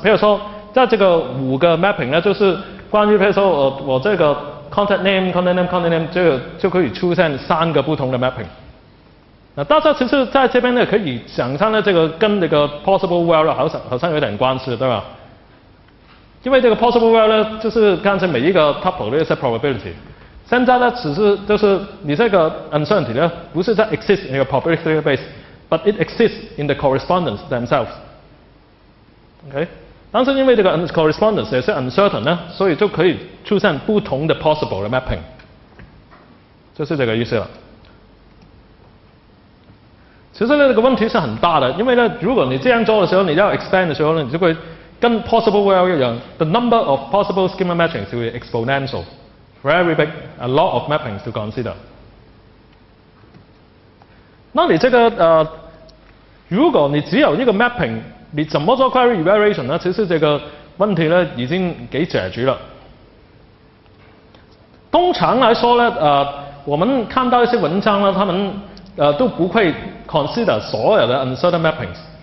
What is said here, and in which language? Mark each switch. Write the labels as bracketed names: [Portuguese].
[Chinese] 比如说，在这个五个 mapping 呢，就是关于比如说我这个 contact name 这个就可以出现三个不同的 mapping。那大家其实在这边呢，可以想象呢，这个跟这个 possible world 好像有点关系，对吧？因为这个 possible world 呢，就是刚才每一个 tuple 的一些 probability，现在呢，只是就是你这个 uncertainty 呢，不是在 exist in 一个 public database， but it exists in the correspondence themselves。 OK， 但是因为这个 correspondence 也是 uncertain 呢，所以就可以出现不同的 possible 的 mapping， 就是这个意思了。其实呢，这个问题是很大的，因为呢，如果你这样做的时候，你要 expand 的时候呢，你就会跟 possible world 一样 ， the number of possible schema matchings will be exponential。 [English] Very big, a lot of mappings to consider. [Chinese] 那你这个如果你只有一个 mapping， 你怎么做 query evaluation 呢？其实这个问题呢已经给解决了。通常来说呢，我们看到一些文章呢，他们都不会 consider 所有的 uncertain mappings。